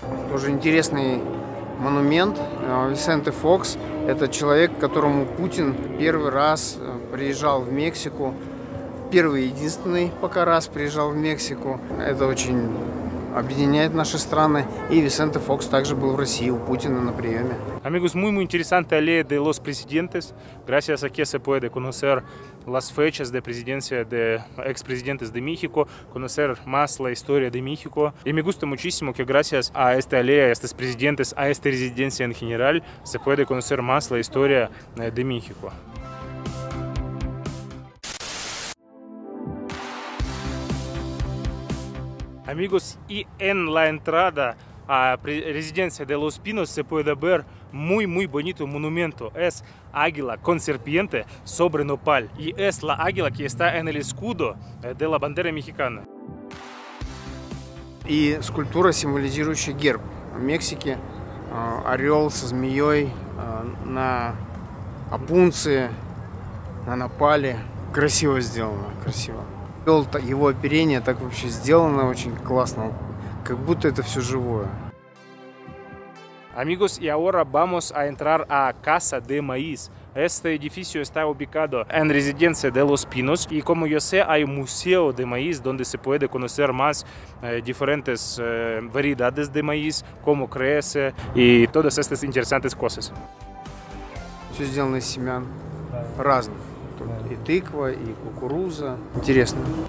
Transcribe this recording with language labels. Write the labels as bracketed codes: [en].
[ru] Тоже интересный монумент. Висенте Фокс — это человек, к которому Путин первый раз приезжал в Мексику. Первый и единственный пока раз приезжал в Мексику. Это очень объединяет наши страны. И Висенте Фокс также был в России у Путина на приеме. [es] Amigos, muy muy interesante aleja de los presidentes. Gracias a que se puede conocer las fechas de presidencia de expresidentes de México, conocer más la historia de México. Y me gusta muchísimo que gracias a esta aleja, a estos presidentes, a esta residencia en general, se puede conocer más la historia de México. Amigos, y en la entrada a residencia de Los Pinos se puede ver muy muy bonito monumento. Es águila con serpiente sobre nopal. Y es la águila que está en el escudo de la bandera mexicana. [ru] И скульптура, символизирующая герб Мексики. Орел со змеей на опунции, на нопале. Красиво сделано, красиво. Его оперение так вообще сделано очень классно, как будто это все живое. [es] Amigos, y ahora vamos a entrar a Casa de Maíz. Este edificio está ubicado en Residencia de los Pinos. Y como yo sé, hay Museo de Maíz, donde se puede conocer más diferentes variedades de maíz, cómo crece y todas estas interesantes cosas. [ru] Все сделано из семян разных. Тут и тыква, и кукуруза. Интересно.